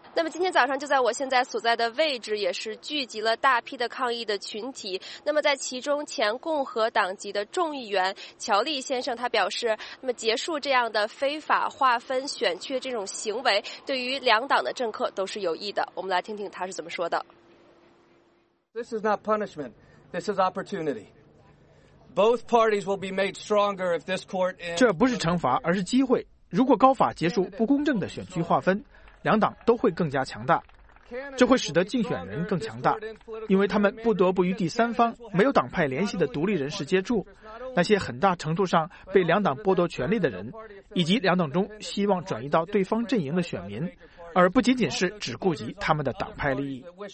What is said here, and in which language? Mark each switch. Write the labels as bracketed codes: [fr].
[zh] 那么今天早上就在我现在所在的位置也是聚集了大批的抗议的群体。那么在其中，前共和党籍的众议员乔利先生他表示，那么结束这样的非法划分选区这种行为对于两党的政客都是有益的。我们来听听他是怎么说的。 [en] This is not punishment. This is opportunity. Both parties will be made stronger if this court. [zh] 这不是惩罚，而是机会。如果高法结束不公正的选区划分，两党都会更加强大，这会使得竞选人更强大，因为他们不得不与第三方没有党派联系的独立人士接触，那些很大程度上被两党剥夺权力的人，以及两党中希望转移到对方阵营的选民，而不仅仅是只顾及他们的党派利益。